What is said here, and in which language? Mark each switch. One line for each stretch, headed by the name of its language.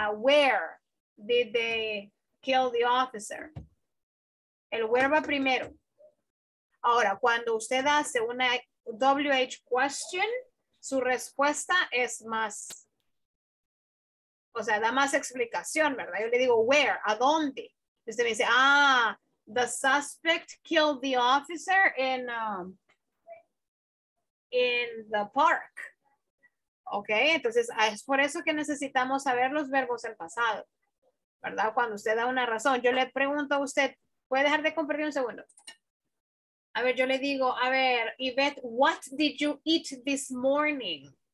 English: Where did they kill the officer?
Spanish: El where va primero. Ahora, cuando usted hace una WH question, su respuesta es más, o sea, da más explicación, ¿verdad? Yo le digo, where, ¿a dónde? Y usted me dice, ah,
English: the suspect killed the officer in the park.
Spanish: Ok, entonces es por eso que necesitamos saber los verbos del pasado, ¿verdad? Cuando usted da una razón, yo le pregunto a usted, ¿puede dejar de compartir un segundo? A ver, yo le digo, a ver,
English: Yvette, what did you eat this morning?